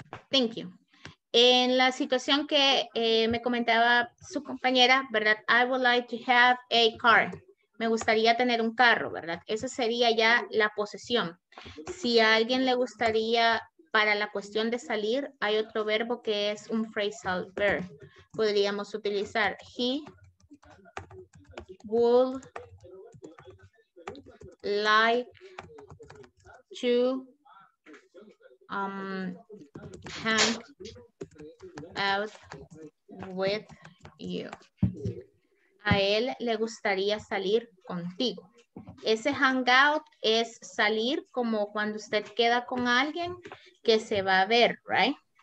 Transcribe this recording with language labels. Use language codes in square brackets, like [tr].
[en] Thank you. [es] En la situación que me comentaba su compañera, ¿verdad? [en] I would like to have a car. [es] Me gustaría tener un carro, ¿verdad? Esa sería ya la posesión. Si a alguien le gustaría... Para la cuestión de salir, hay otro verbo que es un phrasal verb. Podríamos utilizar [en] he would like to hang out with you. [es] A él le gustaría salir contigo. Ese hangout es salir como cuando usted queda con alguien que se va a ver, [en] right?